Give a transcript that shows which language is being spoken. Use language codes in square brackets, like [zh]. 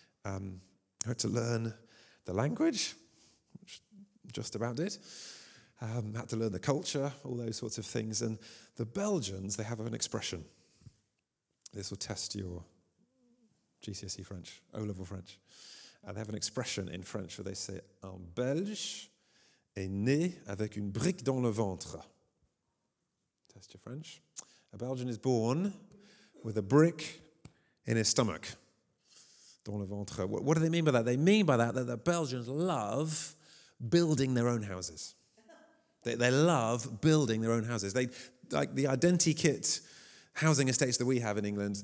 [en] I had to learn the language, which just about did. Had to learn the culture, all those sorts of things. And the Belgians, they have an expression. This will test your GCSE French, O-level French. They have an expression in French where they say, [fr] un Belge est né avec une brique dans le ventre. [en] Test your French. A Belgian is born with a brick in his stomach. [fr] dans le ventre. [en] What do they mean by that? They mean by that that the Belgians love building their own houses. They love building their own houses. They like the identikit housing estates that we have in England.